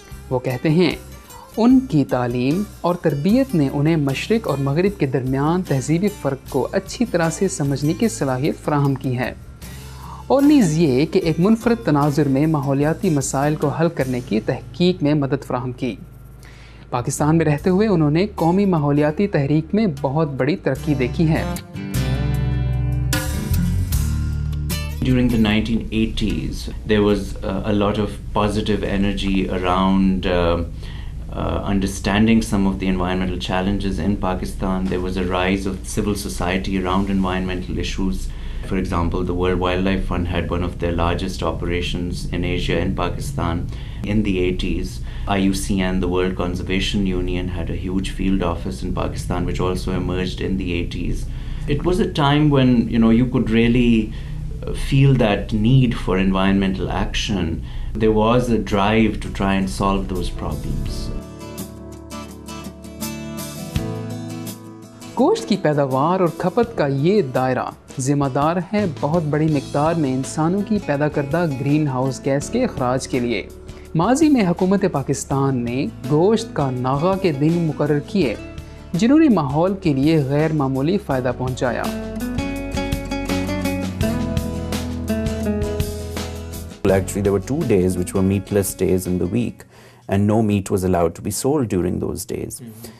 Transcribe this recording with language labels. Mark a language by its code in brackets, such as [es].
[ur] وہ کہتے ہیں ان کی تعلیم اور تربیت نے انہیں مشرق اور مغرب کے درمیان تہذیبی فرق کو اچھی طرح سے سمجھنے کی صلاحیت فراہم کی ہے, اور نیز یہ کہ ایک منفرد تناظر میں ماحولیاتی مسائل کو حل کرنے کی تحقیق میں مدد فراہم کی. پاکستان میں رہتے ہوئے انہوں نے قومی ماحولیاتی تحریک میں بہت بڑی ترقی دیکھی ہے. [en] During the 1980s, there was a lot of positive energy around understanding some of the environmental challenges in Pakistan. There was a rise of civil society around environmental issues. For example, the World Wildlife Fund had one of their largest operations in Asia in Pakistan in the 80s. IUCN, the World Conservation Union, had a huge field office in Pakistan, which also emerged in the 80s. It was a time when, you know, you could really feel that need for environmental action. There was a drive to try and solve those problems. [ur] گوشت کی پیداوار اور کھپت کا یہ دائرہ ذمہ دار ہے بہت بڑی مقدار میں انسانوں کی پیدا کردہ گرین ہاؤس گیس کے اخراج کے لیے. ماضی میں حکومت پاکستان نے گوشت کا ناغہ کے دن مقرر کیے, جنہوں نے ماحول کے لیے غیر معمولی فائدہ پہنچایا. [en] Actually, there were 2 days which were meatless days in the week, and no meat was allowed to be sold during those days. Mm-hmm.